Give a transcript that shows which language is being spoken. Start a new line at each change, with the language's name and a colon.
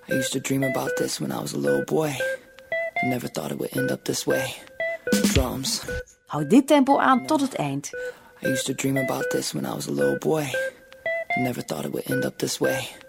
English: To dream about this when I was a little boy. I never thought it would end up this way. Drums.
Dutch: Houd dit tempo aan tot het eind.
English: I used to dream about this when I was a little boy. I never thought it would end up this way.